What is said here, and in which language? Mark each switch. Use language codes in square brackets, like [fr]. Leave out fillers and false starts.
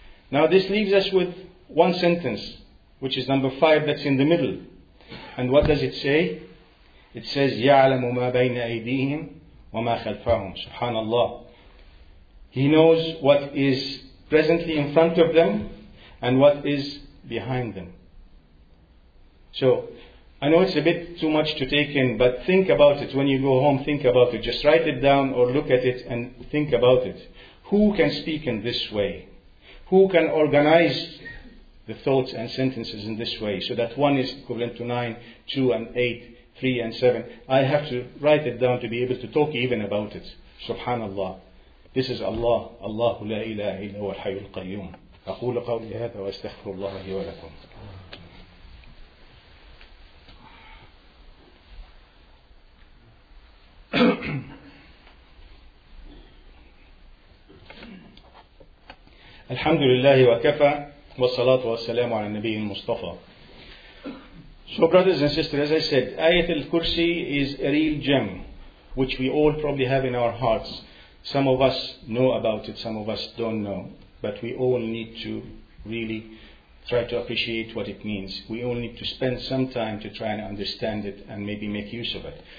[en] Now this leaves us with one sentence, which is number five, that's in the middle. And what does it say? It says, [ar] يَعْلَمُ مَا بَيْنَ أَيْدِيهِمْ وَمَا خَلْفَهُمْ. Subhanallah. [en] He knows what is presently in front of them and what is behind them. So, I know it's a bit too much to take in, but think about it. When you go home, think about it. Just write it down or look at it and think about it. Who can speak in this way? Who can organize the thoughts and sentences in this way so that one is equivalent to 9, 2 and 8, 3 and 7? I have to write it down to be able to talk even about it. [ar] Subhanallah. [en] This is Allah. [ar] Allahu la ilaha illa huwa al-hayyul qayyum. أقول قولي هذا وأستغفر الله لي ولكم. الحمد لله وكفى والصلاة والسلام على النبي المصطفى. [en] So brothers and sisters, as I said, Ayat al-Kursi is a real gem which we all probably have in our hearts. Some of us know about it, some of us don't know. But we all need to really try to appreciate what it means. We all need to spend some time to try and understand it and maybe make use of it.